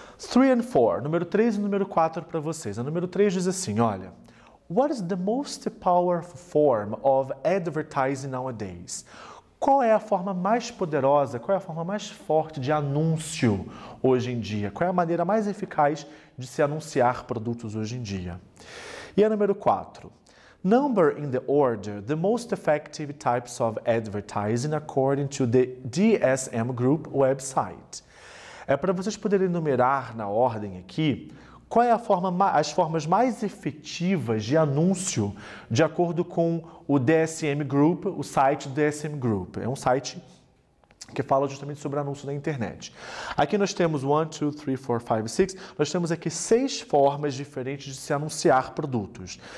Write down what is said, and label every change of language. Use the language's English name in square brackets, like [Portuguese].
[Portuguese] 3 and 4, número 3 e número 4 para vocês. A número 3 diz assim, olha, [English] what is the most powerful form of advertising nowadays? [Portuguese] Qual é a forma mais poderosa, qual é a forma mais forte de anúncio hoje em dia? Qual é a maneira mais eficaz de se anunciar produtos hoje em dia? E a número 4, [English] number in the order, the most effective types of advertising according to the DSM Group website. [Portuguese] É para vocês poderem enumerar na ordem aqui qual é a forma, as formas mais efetivas de anúncio de acordo com o DSM Group, o site do DSM Group. É um site que fala justamente sobre anúncio na internet. Aqui nós temos 1, 2, 3, 4, 5, 6. Nós temos aqui 6 formas diferentes de se anunciar produtos.